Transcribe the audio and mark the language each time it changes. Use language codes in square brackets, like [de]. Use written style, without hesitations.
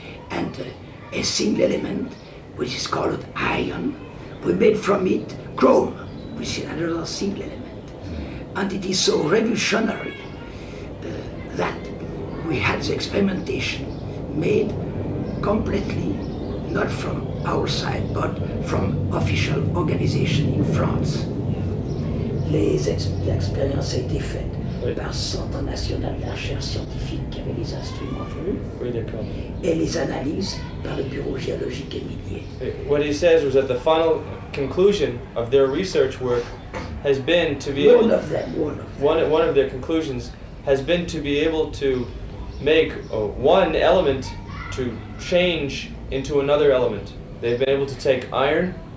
[en] And a single element, which is called iron, we made from it chrome, which is another single element. And it is so revolutionary that we had the experimentation made completely, not from our side, but from official organization in France. [fr] L'expérience a été faite par Centre National de Recherche Scientifique qui avait les instruments venus. Oui, d'accord. Et les analyses par le Bureau Géologique et Minier. [en] What he says was that the final conclusion of their research work has been to be one of them. One of their conclusions has been to be able to make one element to change into another element. They've been able to take iron